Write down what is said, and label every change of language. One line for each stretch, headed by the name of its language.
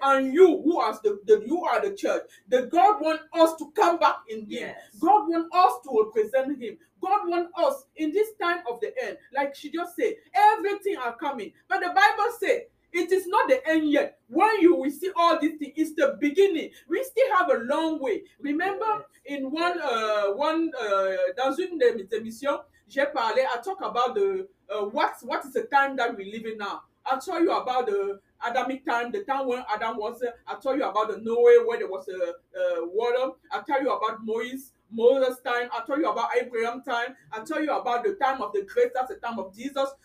English: And you, who are you are the church. The God want us to come back in him. Yes. God want us to represent him. God want us in this time of the end. Like she just said, everything are coming. But the Bible say, it is not the end yet. When you will see all these things, it's the beginning. We still have a long way. Remember, in one
French: dans une émission, j'ai parlé.
English: I talk about the what is the time that we live in now. I told you about the Adamic time, the time when Adam was. I told you about the Noah where there was a water. I tell you about Moses time. I told you about Abraham time. I tell you about the time of the grace. That's the time of Jesus.